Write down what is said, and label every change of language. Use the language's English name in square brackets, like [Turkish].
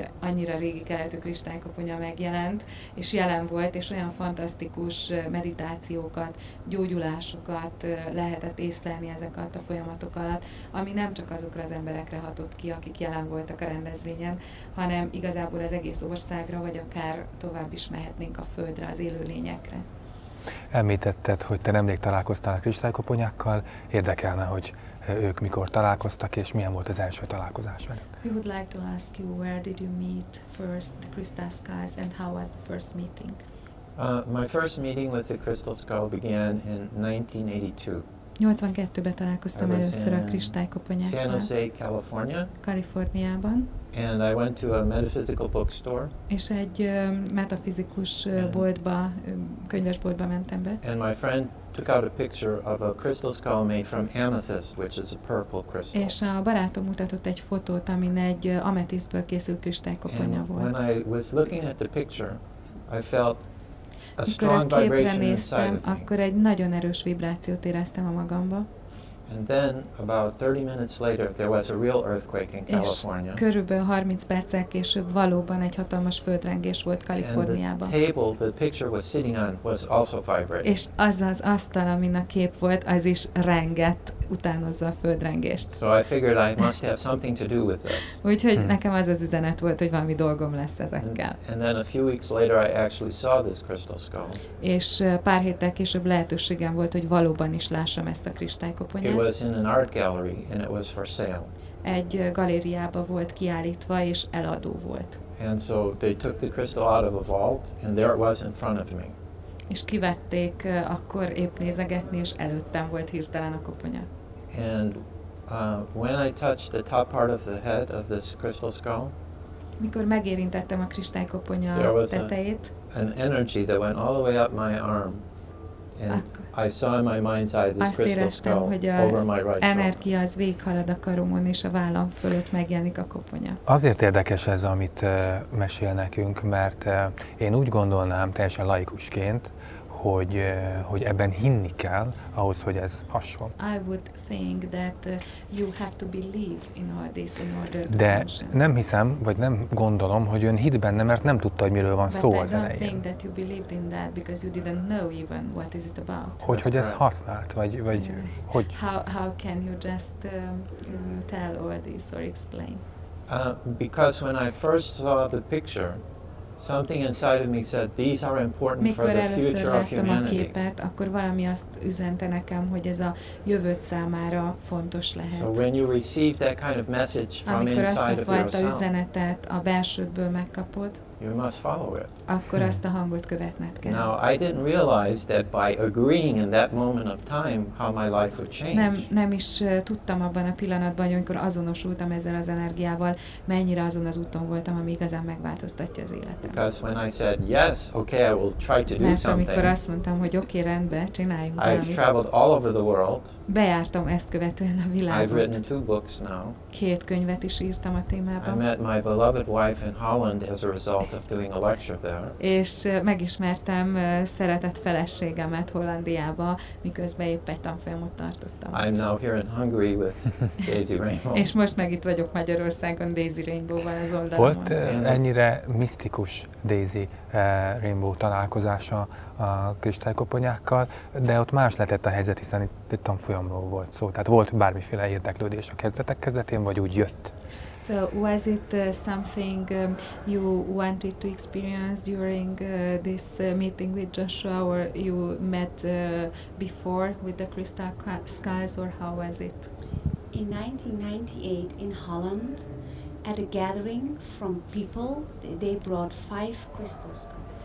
[Hungarian] annyira régi keletű kristálykoponya megjelent, és jelen volt, és olyan fantasztikus meditációkat, gyógyulásokat lehetett észlelni ezek alatt a folyamatok alatt, ami nem csak azokra az emberekre hatott ki, akik jelen voltak a rendezvényen, hanem igazából az egész országra, vagy akár tovább is mehetnénk a földre, az élő lényekre. Említetted, hogy te nemrég találkoztál a kristálykoponyákkal. Érdekelne, hogy ők mikor találkoztak, és milyen volt az első találkozás velük? [English] We would like to ask you, where did you meet first the crystal skulls, and how was the first meeting? My first meeting with the crystal skull began in 1982. [Hungarian] 82-ben találkoztam először a kristálykoponyákkal. [English] San Jose, California. [Hungarian] Kaliforniában. [English] And I went to a metaphysical bookstore. [Hungarian] És egy metafizikus boltba, könyvesboltba mentem be. [English] And my friend took out a picture of a crystal skull made from amethyst, which is a purple crystal. [Hungarian] És a barátom mutatott egy fotót, ami egy ametisztből készült kristálykoponya volt. [English] And when I was looking at the picture, I felt a strong vibration inside of me. [Hungarian] Akkor egy nagyon erős vibrációt éreztem a magamba. [English] And then about 30 minutes later there was a real earthquake in California. [Hungarian] És körülbelül 30 perccel később valóban egy hatalmas földrengés volt Kaliforniában. [English] And the table the picture was sitting on was also vibrating. [Hungarian] És az az asztal, amin a kép volt, az is rengett utánozva a földrengést. [English] So I figured I must have something to do with this. [Hungarian] Úgyhogy nekem az az üzenet volt, hogy valami dolgom lesz ezekkel. [English] And then a few weeks later I actually saw this crystal skull. [Hungarian] És pár héttel később lehetőségem volt, hogy valóban is lássam ezt a kristálykoponyát. [English] It was in an art gallery and it was for sale. [Hungarian] Egy galériában volt kiállítva és eladó volt. [English] And so they took the crystal out of a vault and there it was in front of me. [Hungarian] És kivették akkor épp nézegetni, és előttem volt hirtelen a koponya. [English] And when I touched the top part of the head of this crystal skull, [Hungarian] mikor megérintettem a kristálykoponya tetejét, [English] an energy that went all the way up my arm. And I saw in my mind's eye this crystal [Hungarian] éreztem, [English] skull [Hungarian] hogy [English] over my right [Hungarian] energia az végighalad a karomon, és a vállam fölött megjelenik a koponya. Azért érdekes ez, amit mesél nekünk, mert én úgy gondolnám teljesen laikusként, hogy hogy ebben hinni kell ahhoz, hogy ez hasson. [English] I would think that you have to believe in all this in order to [Hungarian] De nem hiszem, vagy nem gondolom, hogy ön hit benne, mert nem tudta, hogy miről van [English] But [Hungarian] szó [English] I [Hungarian] az elején. [English] I think that you believed in that because you didn't know even what is it about. [Hungarian] Hogy ez használt, vagy hogy [English] how can you just tell all this or explain? Because when I first saw the picture, something inside of me said these are important [Hungarian] Mikor [English] for the future of humanity. [Hungarian] A képet, akkor valami azt üzente nekem, hogy ez a jövőt számára fontos lehet. [English] So when you receive that kind of message from [Hungarian] Amikor [English] inside of yourself, [Hungarian] amikor azt a fajta üzenetet a belsődből megkapod, [English] you must follow it. [Hungarian] Akkor azt a hangot követned kell. [English] Now I didn't realize that by agreeing in that moment of time how my life would change. [Hungarian] Nem is tudtam abban a pillanatban, amikor azonosultam ezzel az energiával, mennyire azon az úton voltam, ami igazán megváltoztatja az életem. [English] Because when I said yes, okay, I will try to do [Hungarian] Mert [English] something. [Hungarian] Amikor azt mondtam, hogy oké, rendben, csináljunk valamit. [English] I've traveled all over the world. [Hungarian] bejártam ezt követően a világot. [English] I've written two books now. [Hungarian] Két könyvet is írtam a témában. [English] I met my beloved wife in Holland as a result of doing a lecture there. [Hungarian] És megismertem szeretett feleségemet Hollandiába, miközben épp egy tanfolyamot tartottam. [English] I'm now here in Hungary with Daisy Rainbow. [Hungarian] És most meg itt vagyok Magyarországon Daisy Rainbow-val az oldalon. Volt ennyire misztikus Daisy Rainbow találkozása a kristálykoponyákkal, de ott más lehetett a helyzet, hiszen itt egy tanfolyamról volt szó. Tehát volt bármiféle érdeklődés a kezdetek kezdetén, vagy úgy jött? [English] So was it something you wanted to experience during this meeting with Joshua, or you met before with the crystal skies, or how was it? In 1998 in Holland, at a gathering from people, they brought five crystal skies.